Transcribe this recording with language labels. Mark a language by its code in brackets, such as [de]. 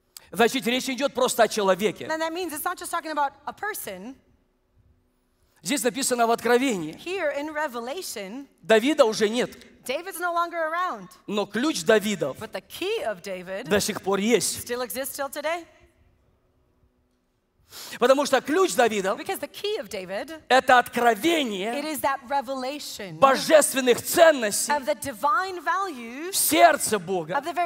[ru] Значит, речь идет просто о человеке. [en] And that means it's not just talking about a person. [ru] Здесь написано в Откровении. [en] Here in Revelation. [ru] Давида уже нет. [en] David's no longer around. [ru] Но ключ Давидов. [en] But the key of David. [ru] До сих пор есть. [en] Still exists till today. [ru] Потому что ключ Давида это откровение божественных ценностей в сердце Бога.